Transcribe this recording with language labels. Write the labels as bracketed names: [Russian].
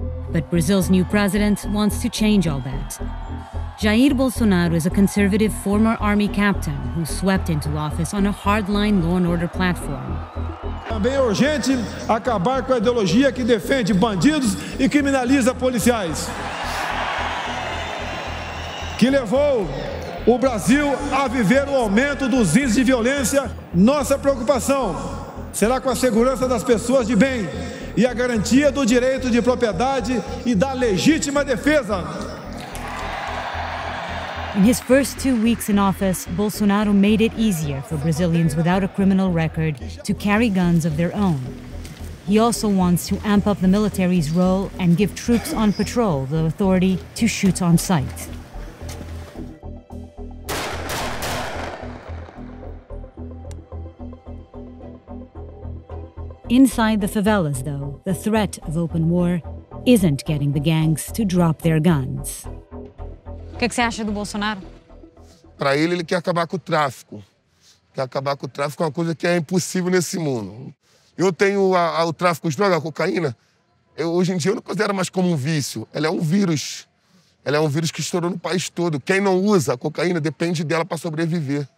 [English] But Brazil's new president wants to change all that. Jair Bolsonaro is a conservative former army captain who swept into office on a hardline law and order platform. [Portuguese] Também é urgente acabar com a ideologia que defende bandidos e criminaliza policiais. Que levou o Brasil a viver o aumento dos índices de violência. Nossa preocupação será com a segurança das pessoas de bem e a garantia do direito de propriedade e da legítima defesa. [English] In his first 2 weeks in office, Bolsonaro made it easier for Brazilians without a criminal record to carry guns of their own. He also wants to amp up the military's role and give troops on patrol the authority to shoot on sight. Inside the favelas, though, the threat of open war isn't getting the gangs to drop their guns. [Portuguese] O que você acha do Bolsonaro? Para ele, ele quer acabar com o tráfico. Quer acabar com o tráfico é uma coisa que é impossível nesse mundo. Eu tenho o tráfico de droga, a cocaína. Hoje em dia, eu não considero mais como um vício. Ela é um vírus. Ela é um vírus que estourou no país todo. Quem não usa a cocaína depende dela para sobreviver.